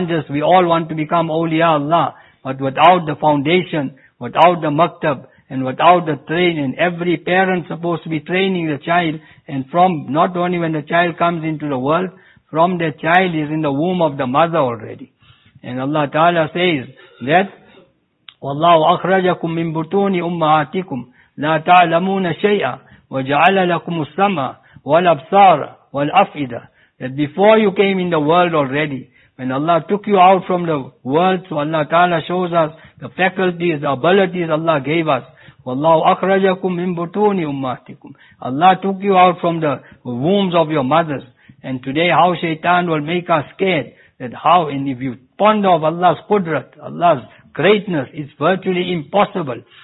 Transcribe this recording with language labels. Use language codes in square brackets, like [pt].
[en] We all want to become awliya Allah, but without the foundation, without the maktab, and without the training, every parent supposed to be training the child, and from, not only when the child comes into the world, from the child is in the womb of the mother already. And Allah Ta'ala says that, [ar] وَاللَّهُ أَخْرَجَكُمْ مِنْ بُطُونِ أُمَّهَاتِكُمْ لَا تَعْلَمُونَ شَيْئًا وَجَعَلَ لَكُمُ السَّمْعَ وَالْأَبْصَارَ وَالْأَفْئِدَةَ. [en] That before you came in the world already, when Allah took you out from the world, so Allah Ta'ala shows us the faculties, the abilities Allah gave us. [ar] وَاللَّهُ أَخْرَجَكُمْ مِنْ بُطُونِ أُمَّهَاتِكُمْ. [en] Allah took you out from the wombs of your mothers. And today how shaitan will make us scared, that how, and if you ponder of Allah's qudrat, Allah's greatness, it's virtually impossible.